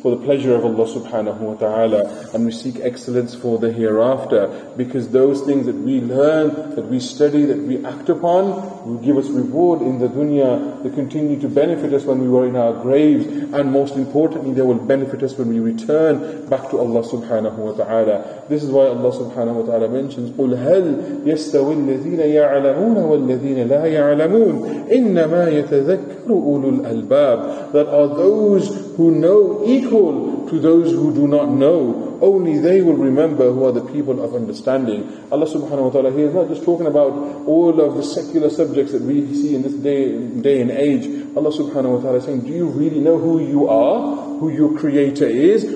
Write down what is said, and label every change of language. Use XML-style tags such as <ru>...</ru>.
<en>for the pleasure of Allah subhanahu wa ta'ala, and we seek excellence for the hereafter, because those things that we learn, that we study, that we act upon, will give us reward in the dunya, they continue to benefit us when we were in our graves, and most importantly, they will benefit us when we return back to Allah subhanahu wa ta'ala. This is why Allah subhanahu wa ta'ala mentions,</en> <ar>قُلْ هَلْ يَسْتَوِي الَّذِينَ يَعْلَمُونَ وَالَّذِينَ لَا يَعْلَمُونَ إِنَّمَا يَتَذَكَّرُ أُولُو الْأَلْبَابِ.</ar> <en>That are those who know equal to those who do not know. Only they will remember who are the people of understanding. Allah subhanahu wa ta'ala here is not just talking about all of the secular subjects that we see in this day and age. Allah subhanahu wa ta'ala is saying, do you really know who you are? Who your creator is?</en>